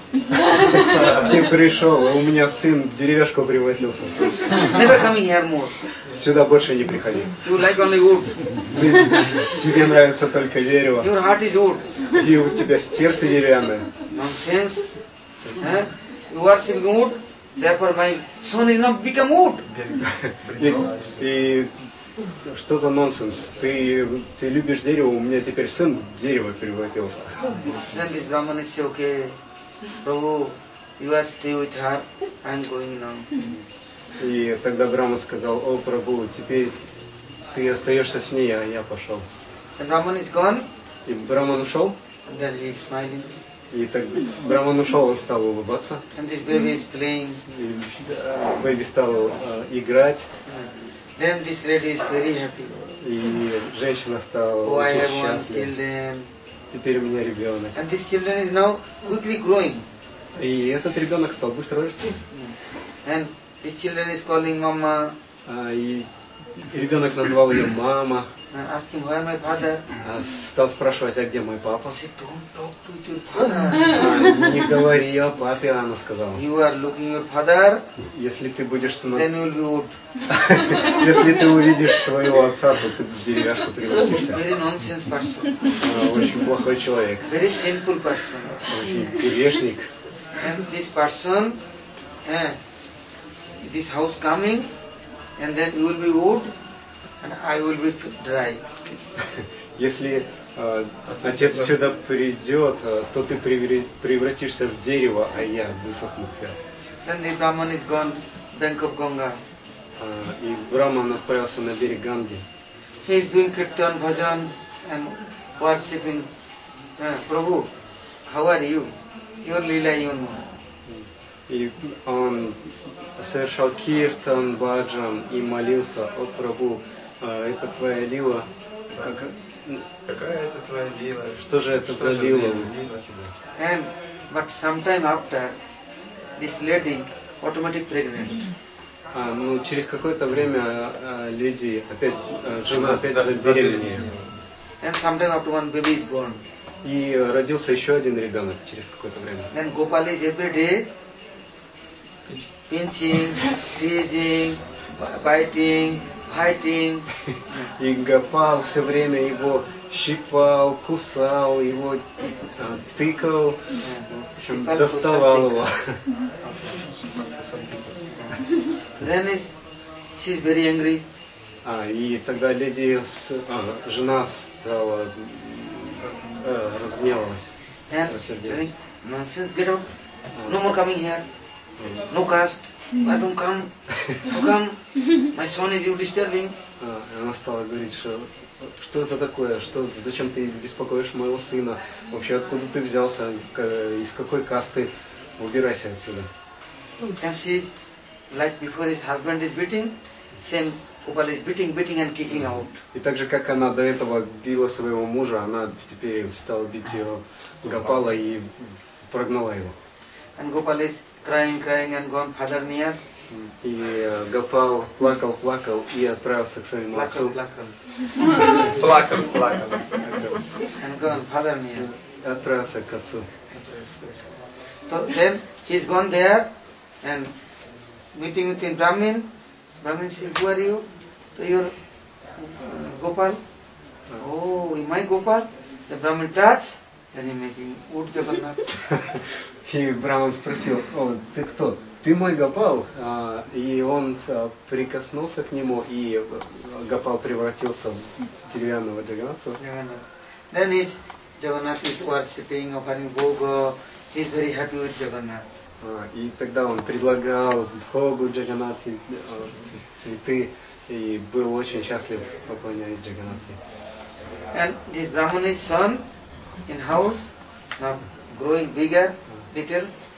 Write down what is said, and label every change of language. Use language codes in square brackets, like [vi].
[ru] Ты пришел, у меня сын деревяшку привозился. [en] Never come here more. [ru] Сюда больше не приходи. [en] You like only wood. [ru] Тебе нравится только дерево. [en] Your heart is wood. [ru] И у тебя сердце деревянное. [en] Nonsense. Huh? You are seeking wood, therefore my son is not become wood. [ru] И что за нонсенс? Ты любишь дерево, у меня теперь сын дерево превратился. [en] Then this Brahman is saying, okay, Prabhu, you are stay with her, I'm going now. [ru] И тогда Брахман сказал, о, Прабху, теперь ты остаешься с ней, а я пошел. [en] And Brahman is gone. [ru] И Брахман ушел. [en] And then he is smiling. [ru] И так Брахман ушел, он стал улыбаться. [en] And this baby is playing. [ru] И baby стал играть. [en] Then this lady is very happy. [ru] И женщина стала очень счастлива. Теперь у меня ребенок. [en] And this children is now quickly growing. [ru] И этот ребенок стал быстро расти. [en] And this children is calling mama. [ru] И ребенок назвал ее мама. [en] Ask him, where my father? [ru] Стал спрашивать, а где мой папа? [en] Say, don't talk to your father. [ru] Не говори о папе, она сказала. [en] You are looking your father. [ru] Если ты будешь сыном. [en] Then you'll be old. [ru] Если ты увидишь своего отца, то ты в деревяшку превратишься. [en] Very nonsense person. [ru] Очень плохой человек. [en] Very sinful person. [ru] Очень грешник. [en] And this person, this house coming, and then you will be old. And I will be dry. [ru] Если отец сюда придет, то ты превратишься в дерево, а я высохну вся. [en] Then the Brahman is gone, bank of Ganga. [ru] И Брахман отправился на берег Ганги. [en] He is doing kirtan bhajan and worshiping Prabhu. How are you? Your lila you know. [ru] И он совершал киртан бхаджан и молился о Прабху. Это твоя лила? Да. Какая это твоя лила? Что же это за лила? [en] And but sometime after this lady automatic pregnant. [ru] Ну через какое-то время леди опять жена опять забеременела. [en] And sometime after one baby is born. [ru] И родился еще один ребенок через какое-то время. [en] Then Gopal is every day pinching, teasing, biting. Fighting. [ru] И Гопал все время его щипал, кусал, его тыкал, доставал его. [en] Then she's very angry. [ru] И тогда леди, жена стала разгневалась. [en] And nonsense, get out. No more coming here. No caste. Why don't come? How come? My son is you disturbing. [ru] Она стала говорить, что это такое? Зачем ты беспокоишь моего сына? Вообще, откуда ты взялся? Из какой касты? Убирайся отсюда. [en] And she is, like before his husband is beating, same Gopal is beating and kicking out. [ru] И так же, как она до этого била своего мужа, она теперь стала бить его Гопала и прогнала его. [en] And Gopal is crying and gone father near. [ru] И Гопал плакал и отправился к своему отцу. Плакал. [en] And gone father near. [ru] И отправился к отцу. [en] So then he's gone there and meeting with him Brahmin. Brahmin says, who are you? So you're Gopal. Oh, am I Gopal? The Brahman touch, then he made him Ur Jagannath. [ru] И Браман спросил, о, ты кто? Ты мой Гопал? И он прикоснулся к нему, и Гопал превратился в деревянного Джаганнатха. [en] Then is Jagannath is worshipping, offering bhoga. He's very happy with Jagannath. [ru] И тогда он предлагал Богу Джаганнатхе цветы и был очень счастлив поклоняясь Джаганнатхе. [en] And this Brahmani's son in house now growing bigger, little.